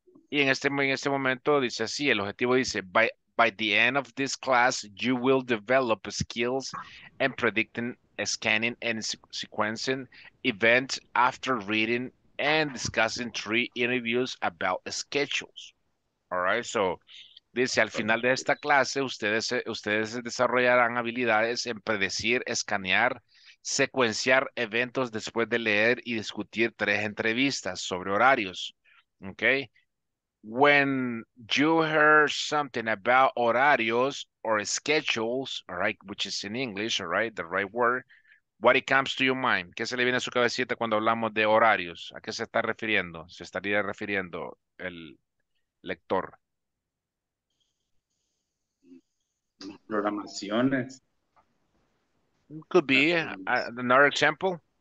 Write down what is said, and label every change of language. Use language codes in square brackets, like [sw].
[es] Y en este momento dice así, el objetivo dice, [en] by the end of this class, you will develop skills in predicting, scanning, and sequencing events after reading and discussing three interviews about schedules. [es] All right, so, dice, al final de esta clase, ustedes desarrollarán habilidades en predecir, escanear, secuenciar eventos después de leer y discutir tres entrevistas sobre horarios, okay? [en] When you hear something about horarios or schedules, all right, which is in English, all right, the right word, what it comes to your mind? [es] ¿Qué se le viene a su cabecita cuando hablamos de horarios? ¿A qué se está refiriendo? ¿Se estaría refiriendo el... lector? Programaciones. [en] Could be another example.